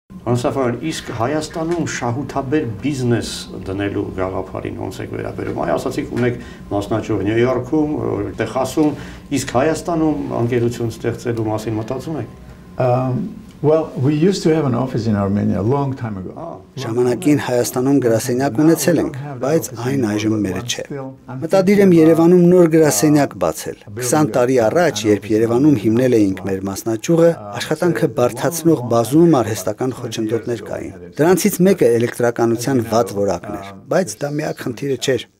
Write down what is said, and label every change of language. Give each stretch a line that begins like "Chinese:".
Armenian: Անսաֆան, իսկ Հայաստանում շահութաբեր բիզնես դնելու գաղափարին ոնց եք վերաբերվում։ Այ ասացիք ունեք մասնաճյուղ Նյու Յորքում, Տեխասում, իսկ Հայաստանում ընկերություն ստեղծելու մասին մտածում եք։
English: Well, we used to have an office in Armenia a long time ago.
Armenian: Ժամանակին Հայաստանում գրասենյակ ունեցել ենք, բայց այն այժմ մերը չէ։ Մտադիր եմ Երևանում նոր գրասենյակ բացել։ 20 տարի առաջ, երբ Երևանում հիմնել էինք մեր մասնաճյուղը, աշխատանքը բարձրացնող բազում արհեստական խոչընդոտներ կային։ Դրանցից մեկը էլեկտրականության վատ որակն էր, բայց դա միակ խնդիրը չէր։